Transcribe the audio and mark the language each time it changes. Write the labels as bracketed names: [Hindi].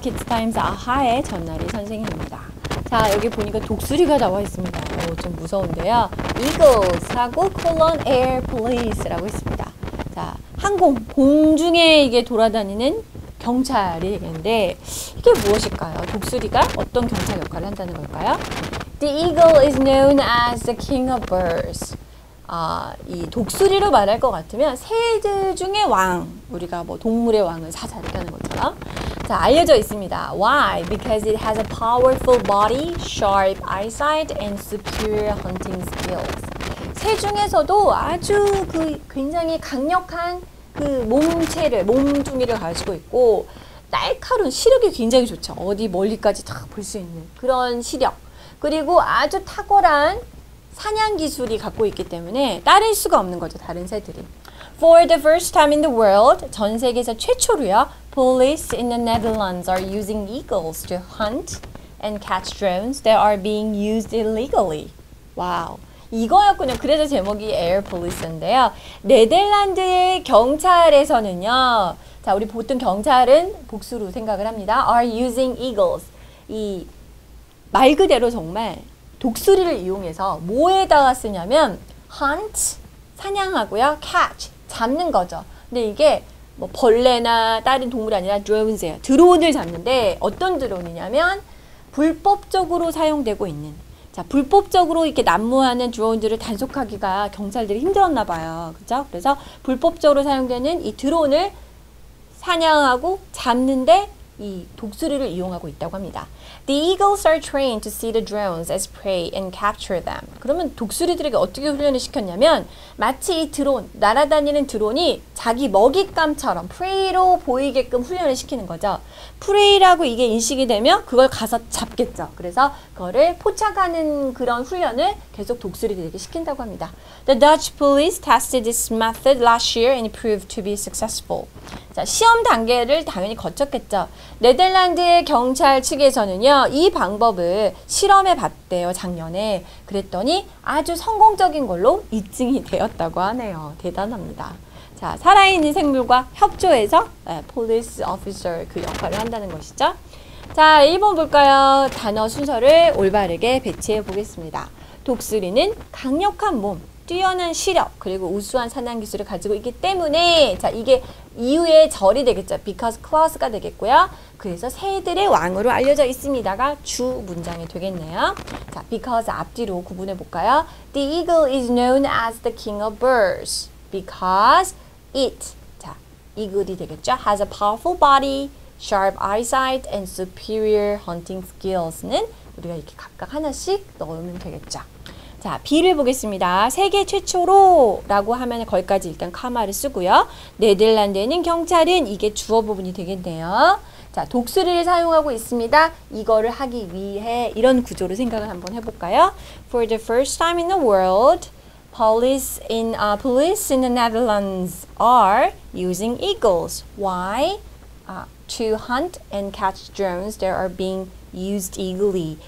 [Korean] 키즈타임즈 아하의 전나리 선생님입니다. 자, 여기 보니까 독수리가 나와 있습니다. 오, 좀 무서운데요. Eagles 하고 [English] colon air police [Korean] 라고 있습니다. 자, 항공, 공중에 이게 돌아다니는 경찰인데 이게 무엇일까요? 독수리가 어떤 경찰 역할을 한다는 걸까요? [English] The eagle is known as the king of birds. [Korean] 아, 이 독수리로 말할 것 같으면 새들 중에 왕, 우리가 뭐 동물의 왕은 사자라는 것처럼 자, 알려져 있습니다. [English] Why? Because it has a powerful body, sharp eyesight, and superior hunting skills. [Korean] 새 중에서도 아주 그 굉장히 강력한 그 몸체를, 몸뚱이를 가지고 있고 날카로운 시력이 굉장히 좋죠. 어디 멀리까지 다 볼 수 있는 그런 시력. 그리고 아주 탁월한 사냥 기술이 갖고 있기 때문에 따를 수가 없는 거죠, 다른 새들이. [English] For the first time in the world, [Korean] 전 세계에서 최초로요, [English] police in the Netherlands are using eagles to hunt and catch drones that are being used illegally. [Korean] 와우, 이거였군요. 그래서 제목이 Air Police인데요. 네덜란드의 경찰에서는요, 자, 우리 보통 경찰은 복수로 생각을 합니다. [English] Are using eagles. [Korean] 이 말 그대로 정말 독수리를 이용해서 뭐에다가 쓰냐면 hunt, 사냥하고요. catch, 잡는 거죠. 근데 이게 뭐 벌레나 다른 동물이 아니라 drones예요. 드론을 잡는데 어떤 드론이냐면 불법적으로 사용되고 있는 자 불법적으로 이렇게 난무하는 드론들을 단속하기가 경찰들이 힘들었나 봐요. 그렇죠? 그래서 불법적으로 사용되는 이 드론을 사냥하고 잡는데 이 독수리를 이용하고 있다고 합니다. [English] The eagles are trained to see the drones as prey and capture them. [Korean] 그러면 독수리들에게 어떻게 훈련을 시켰냐면 마치 이 드론, 날아다니는 드론이 자기 먹잇감처럼 prey로 보이게끔 훈련을 시키는 거죠. prey라고 이게 인식이 되면 그걸 가서 잡겠죠. 그래서 그거를 포착하는 그런 훈련을 계속 독수리들에게 시킨다고 합니다. [English] The Dutch police tested this method last year and it proved to be successful. [Korean] 자, 시험 단계를 당연히 거쳤겠죠. 네덜란드의 경찰 측에서는요, 이 방법을 실험해 봤대요, 작년에. 그랬더니 아주 성공적인 걸로 입증이 되었다고 하네요. 대단합니다. 자, 살아있는 생물과 협조해서 네, [English] police officer [Korean] 그 역할을 한다는 것이죠. 자, 1번 볼까요? 단어 순서를 올바르게 배치해 보겠습니다. 독수리는 강력한 몸, 뛰어난 시력, 그리고 우수한 사냥 기술을 가지고 있기 때문에 자, 이게 이후에 절이 되겠죠. [English] Because clause [Korean] 가 되겠고요. 그래서 새들의 왕으로 알려져 있습니다가 주 문장이 되겠네요. 자, because 앞뒤로 구분해 볼까요? [English] The eagle is known as the king of birds. Because it, [Korean] 자, eagle이 되겠죠. [English] Has a powerful body, sharp eyesight, and superior hunting skills는 [Korean] 우리가 이렇게 각각 하나씩 넣으면 되겠죠. 자, B를 보겠습니다. 세계 최초로 라고 하면 거기까지 일단 카마를 쓰고요. 네덜란드에는 경찰은 이게 주어 부분이 되겠네요. 자, 독수리를 사용하고 있습니다. 이거를 하기 위해 이런 구조로 생각을 한번 해볼까요? [English] For the first time in the world, police in the Netherlands are using eagles. Why? To hunt and catch drones that are being used illegally.